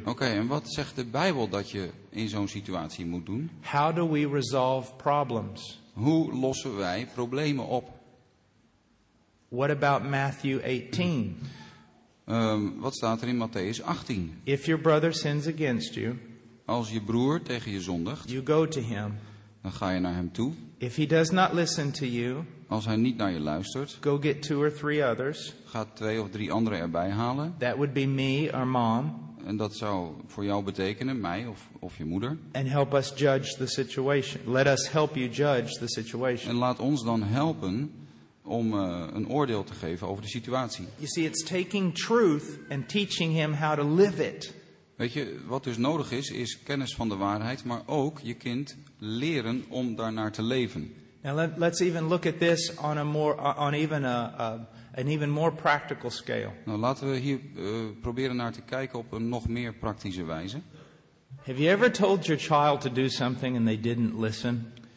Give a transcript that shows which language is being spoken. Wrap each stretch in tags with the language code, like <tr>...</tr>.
<nl>Okay, en wat zegt de Bijbel dat je in zo'n situatie moet doen?</nl> <en>How do we resolve problems?</en> <nl>Hoe lossen wij problemen op?</nl> <en>What about Matthew 18?</en> <nl>Wat staat er in Matthäus 18?</nl> <en>If your brother sins against you,</en> <nl>als je broer tegen je zondigt,</nl> <en>you go to him.</en> <nl>Dan ga je naar hem toe.</nl> <en>If he does not listen to you,</en> <nl>als hij niet naar je luistert,</nl> <en>go get two or three others.</en> <nl>Ga twee of drie anderen erbij halen.</nl> <en>That would be me or mom.</en> <nl>En dat zou voor jou betekenen, mij of je moeder.</nl> <en>And help us judge the situation. Let us help you judge the situation.</en> <nl>En laat ons dan helpen om een oordeel te geven over de situatie.</nl> <en>You see, it's taking truth and teaching him how to live it.</en> <nl>Weet je, wat dus nodig is, is kennis van de waarheid, maar ook je kind leren om daarnaar te leven.</nl> <en>Now let's even look at this on a more on even a, a an even more practical scale.</en> <nl>Nou, laten we hier proberen naar te kijken op een nog meer praktische wijze.</nl> <en>Have you ever told your child to do something and they didn't listen?</en>